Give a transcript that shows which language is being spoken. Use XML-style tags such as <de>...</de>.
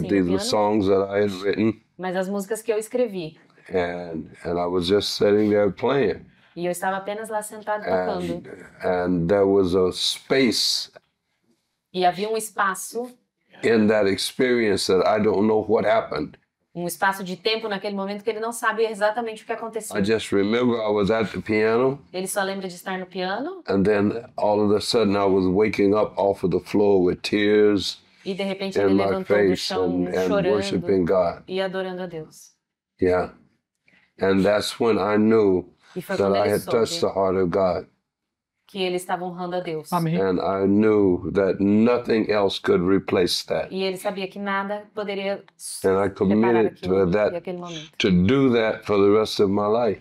<en>But these were songs that I had written.</en> <pt>Mas as músicas que eu escrevi.</pt> <en>And I was just sitting there playing.</en> <pt>E eu estava apenas lá sentado tocando.</pt> <en>And there was a space.</en> <pt>E havia um espaço.</pt> <en>In that experience that I don't know what happened.</en> <pt>um espaço de tempo naquele momento que ele não sabe exatamente o que aconteceu.</pt> <en>I just remember I was at the piano.</en> <pt>Ele só lembra de estar no piano.</pt> <en>And then all of a sudden I was waking up off of the floor with tears.</en> <pt>E de repente ele levantou do chão chorando</pt> <en>worshiping God.</en> <pt>E adorando a Deus.</pt> <en>Yeah. And that's when I knew that I had touched the heart of God.</en> <pt>Que ele estava honrando a Deus. Amém.</pt> <en>And I knew that nothing else could replace that.</en> <pt>E ele sabia que nada poderia</pt> <en>and I committed to that, to do that for the rest of my life.</en>